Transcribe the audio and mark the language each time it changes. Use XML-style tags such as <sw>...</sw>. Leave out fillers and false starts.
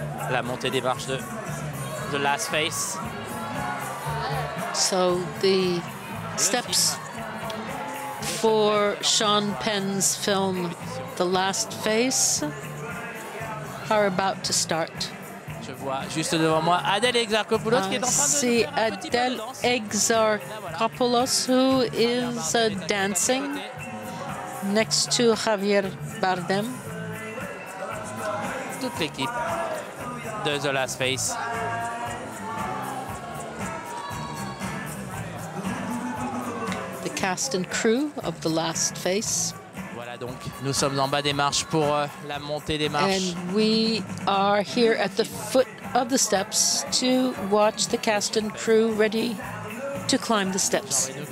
<fr>La montée des marches de The Last Face.</fr> <en>So the steps for Sean Penn's film The Last Face are about to start.</en> <fr>Je vois juste devant moi Adèle Exarchopoulos qui est en train de</fr> <en>see Adèle Exarchopoulos who is dancing next to Javier Bardem.</en> <fr>Toute l'équipe de The Last Face.</fr> <en>Cast and crew of The Last Face.</en> <fr>Voilà donc, nous sommes en bas des marches pour la montée des marches.</fr> <en>And we are here at the foot of the steps to watch the cast and crew ready to climb the steps.</en>